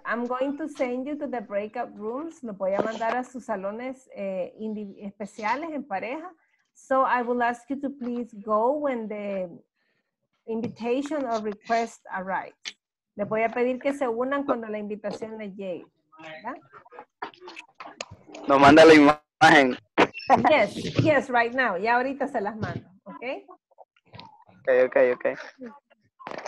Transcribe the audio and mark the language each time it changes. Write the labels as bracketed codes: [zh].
[en] I'm going to send you to the breakout rooms. [es] Lo voy a mandar a sus salones especiales en pareja. [en] So I will ask you to please go when the invitation or request arrives. [es] Le voy a pedir que se unan cuando la invitación le llegue, ¿verdad? Nos manda la imagen. [en] Yes, yes, right now. [es] Ya ahorita se las mando, ¿ok? [en] Ok, ok, ok.